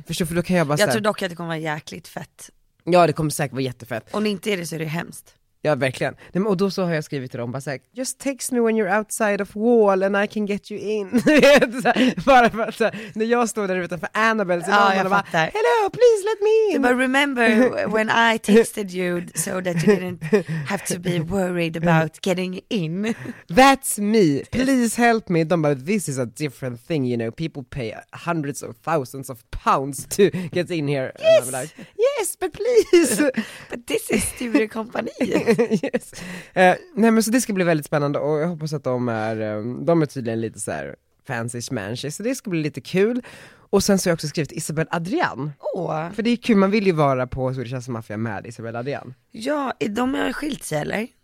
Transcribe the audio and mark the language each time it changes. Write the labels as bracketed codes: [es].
[sv] Förstår, för då kan jag bara jag tror dock att det kommer vara jäkligt fett. Ja, det kommer säkert vara jättefett. Om det inte är det så är det hemskt. Ja, verkligen. Nej, men, och då så har jag skrivit till dem, bara så här, [en] just text me when you're outside of wall and I can get you in. [sv] Så här, bara för att, så här, när jag stod där utanför Annabelle, så ja, jag bara, [en] hello, please let me in. But remember when I texted you so that you didn't have to be worried about getting in. That's me. Please help me. [sv] De bara, [en] this is a different thing, you know. People pay hundreds of thousands of pounds to get in here. Yes, like, yes, but please. But this is Sture Company. Yes. [sv] Nej, men så det ska bli väldigt spännande. Och jag hoppas att de är tydligen lite så här fancy schmancy. Så det ska bli lite kul. Och sen så har jag också skrivit Isabel Adrian. Åh. För det är kul, man vill ju vara på Swedish House Mafia med Isabel Adrian. Ja, de har skilt sig eller?